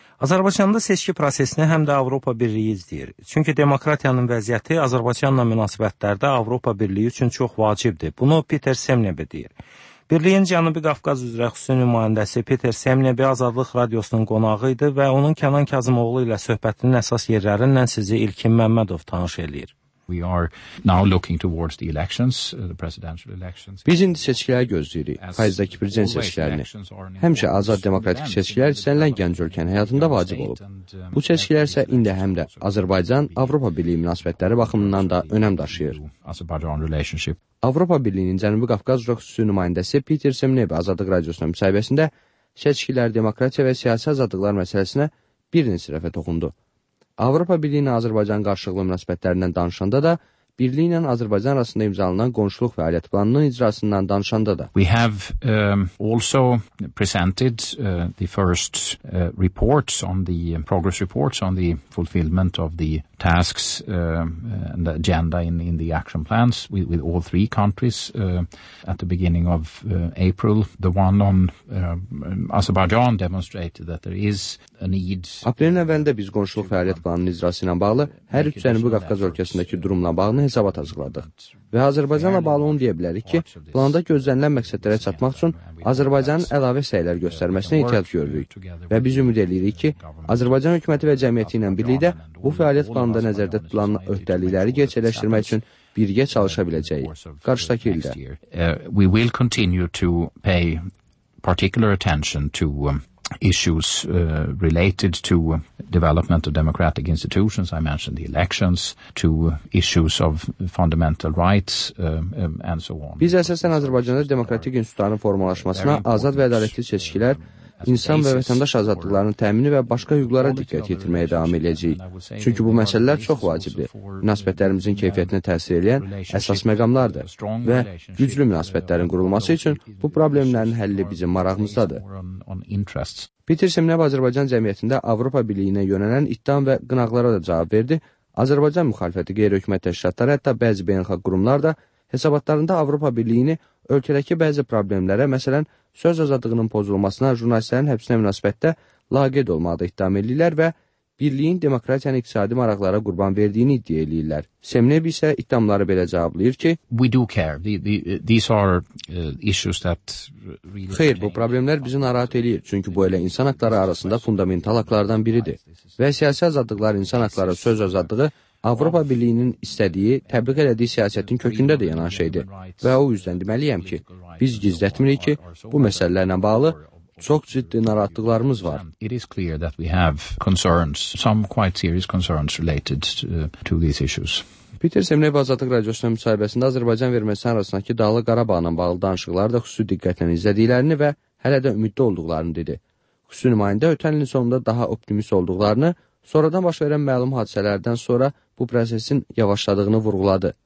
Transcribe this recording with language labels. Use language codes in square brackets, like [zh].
[az] Azərbaycanda seçki prosesini həm də Avropa Birliyi izləyir. Çünki demokratiyanın vəziyyəti Azərbaycanla münasibətlərdə Avropa Birliyi üçün çox vacibdir. Bunu Peter Semnebi deyir. Birliyin Cənubi Qafqaz üzrə xüsusi nümayəndəsi Peter Semnebi Azadlıq Radiosunun qonağı idi və onun Kənan Kazımoğlu ilə söhbətinin əsas yerlərindən sizi İlkin Məmmədov tanış eləyir. [en] We are now looking towards the elections, the presidential elections. [az] Biz indi seçkiləri gözləyirik, payızdakı prezident seçkilərini. Həmişə azad demokratik seçkilər istənilən gənc ölkənin həyatında vacib olub. Bu seçkilər isə indi həm də Azərbaycan Avropa Birliyi münasibətləri baxımından da önəm daşıyır. Avropa Birliyinin Cənubi Qafqaz xüsusi nümayəndəsi Peter Semnebi Azadlıq Radiosuna müsahibəsində seçkilər demokratiya və siyasi azadlıqlar məsələsinə bir neçə dəfə toxundu. Avropa Birliyi ilə Azərbaycan qarşılıqlı münasibətlərindən danışanda da, Birliyi ilə Azərbaycan arasında imzalanan qonşuluq fəaliyyət planının icrasından danışanda da. [en] We have also presented the first reports on the progress reports on the fulfillment of the tasks and the agenda in the action plans with all three countries at the beginning of April. The one on Azerbaijan demonstrated that there is a need. [az] Aprelin əvvəlində biz qonşuluq fəaliyyət planının icrası ilə bağlı hər üç Cənubi Qafqaz ölkəsindəki durumla bağlı hesabat hazırladıq. Və Azərbaycanla bağlı onu deyə bilərik ki, planda gözlənilən məqsədlərə çatmaq üçün Azərbaycanın əlavə səylər göstərməsinə ehtiyac görürük. Və biz ümid edirik ki, Azərbaycan hökuməti və cəmiyyəti ilə birlikdə bu fəaliyyət planında nəzərdə tutulan öhdəlikləri gerçəkləşdirmək üçün birgə çalışa biləcəyik. Qarşıdakı ildə. [en] We will continue to pay particular attention to issues related to development of democratic institutions, I mentioned the elections, to issues of fundamental rights and so on. [az] Biz əsasən Azərbaycanda demokratik institutların formalaşmasına, azad və ədalətli seçkilər, insan və vətəndaş azadlıqlarının təmini və başqa hüquqlara diqqət yetirməyə davam edəcəyik. Çünki bu məsələlər çox vacibdir. Münasibətlərimizin keyfiyyətinə təsir edən əsas məqamlardır və güclü münasibətlərin qurulması üçün bu problemlərin həlli bizim marağımızdadır. Peter Semnebi Azərbaycan cəmiyyətində Avropa Birliyinə yönələn iddiam və qınaqlara da cavab verdi. Azərbaycan müxalifəti qeyri-hökumət təşkilatları, hətta bəzi beynəlxalq qurumlar da hesabatlarında Avropa Birliyini ölkədəki bəzi problemlərə, məsələn, söz azadlığının pozulmasına, jurnalistlərin həbsinə münasibətdə laqeyd olmağa iddiam edirlər və birliyin demokratiyanın iqtisadi maraqlara qurban verdiyini iddia edirlər. Semnebi isə iddiamları belə cavablayır ki, [en] We do care. These are issues that really [az] Xeyr, bu problemlər bizi narahat edir, çünki bu elə insan haqları arasında fundamental haqlardan biridir. Və siyasi azadlıqlar, insan haqları, söz azadlığı Avropa Birliyinin istədiyi, təbliğ elədiyi siyasətin kökündə də yanan şeydir və o yüzdən deməliyəm ki, biz gizlətmirik ki, bu məsələlərlə bağlı çox ciddi narahatlıqlarımız var. [en] It is clear that we have concerns, some quite serious concerns related to these issues. [az] Peter Semnebi Azadlıq Radiosunun müsahibəsində Azərbaycan və Ermənistan arasındakı Dağlıq Qarabağla bağlı danışıqları da xüsusi diqqətlə izlədiklərini və hələ də ümidli olduqlarını dedi. Xüsusi nümayəndə ötən ilin sonunda daha optimist olduqlarını Sonradan baş verən məlum hadisələrdən sonra bu prosesin yavaşladığını vurguladı.